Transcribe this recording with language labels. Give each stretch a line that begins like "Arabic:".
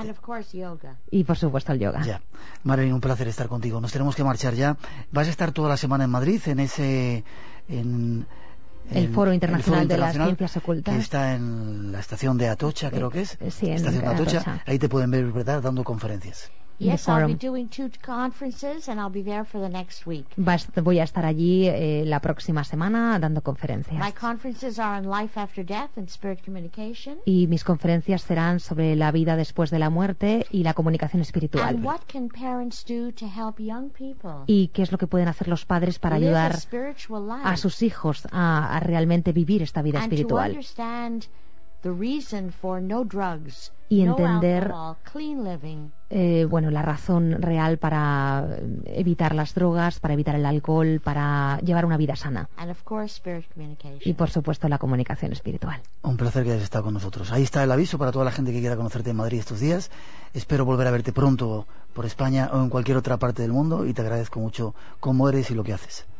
English: And of course, yoga.
Spanish: Y por supuesto el yoga. Ya. Marilyn, un placer estar contigo. Nos tenemos que marchar ya. ¿Vas a estar toda la semana en Madrid en ese... El Foro Internacional de las Ciencias Ocultas. Que está en la estación de Atocha, creo que es. Sí, en estación de Atocha. Ahí te pueden ver, ¿verdad?, dando conferencias.
English: Yes, I'll be doing two conferences and I'll be there for the next week.
Spanish: Voy a estar allí la próxima semana dando conferencias.
English: My conferences are on life after death and spirit communication.
Spanish: Y mis conferencias serán sobre la vida después de la muerte y la comunicación espiritual.
English: And what can parents do to help young people?
Spanish: ¿Y qué es lo que pueden hacer los padres para ayudar a sus hijos a realmente vivir esta vida espiritual?
English: And to understand the reason for no drugs,
Spanish: y entender
English: no alcohol, clean living.
Spanish: La razón real para evitar las drogas, para evitar el alcohol, para llevar una vida sana.
English: And of course, spirit communication.
Spanish: Y por supuesto la comunicación espiritual. Un placer que hayas estado con nosotros. Ahí está el aviso para toda la gente que quiera conocerte en Madrid estos días. Espero volver a verte pronto por España o en cualquier otra parte del mundo y te agradezco mucho cómo eres y lo que haces.